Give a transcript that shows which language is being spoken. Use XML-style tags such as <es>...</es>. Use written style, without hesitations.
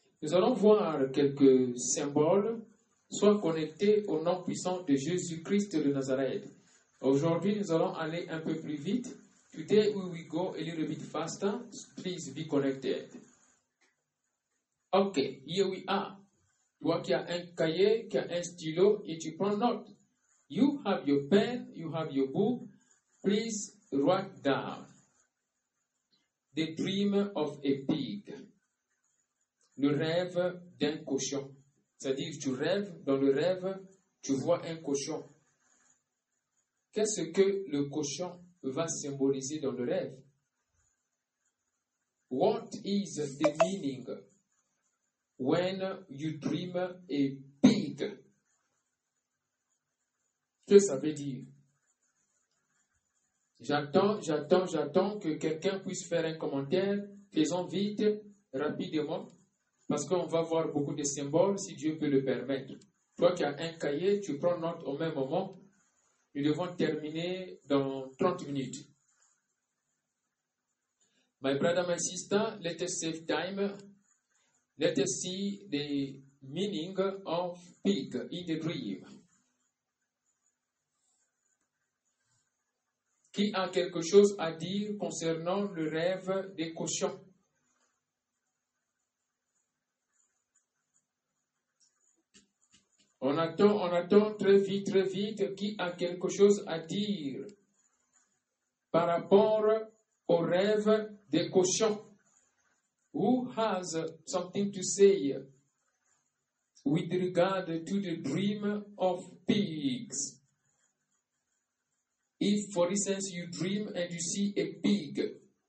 <fr>Nous allons voir quelques symboles soient connectés au nom puissant de Jésus-Christ de Nazareth. Aujourd'hui, nous allons aller un peu plus vite.</fr> <en>Today we will go a little bit faster. Please be connected. Ok, here we are.</en> <fr>Tu vois qu'il y a un cahier, qu'il y a un stylo et tu prends note.</fr> <en>You have your pen, you have your book. Please write down the dream of a pig.</en> <fr>Le rêve d'un cochon. C'est-à-dire, tu rêves, dans le rêve, tu vois un cochon. Qu'est-ce que le cochon va symboliser dans le rêve?</fr> <en>What is the meaning when you dream a pig?</en> <fr>Que ça veut dire? J'attends que quelqu'un puisse faire un commentaire. Faisons vite, rapidement, parce qu'on va voir beaucoup de symboles si Dieu peut le permettre. Toi qui as un cahier, tu prends note au même moment. Nous devons terminer dans 30 minutes.</fr> <en>My brother, my sister, let us save time. Let us see the meaning of pig in the dream.</en> <fr>Qui a quelque chose à dire concernant le rêve des cochons? On attend très vite. Qui a quelque chose à dire par rapport au rêve des cochons?</fr> <en>Who has something to say with regard to the dream of pigs? If, for instance, you dream and you see a pig.</en>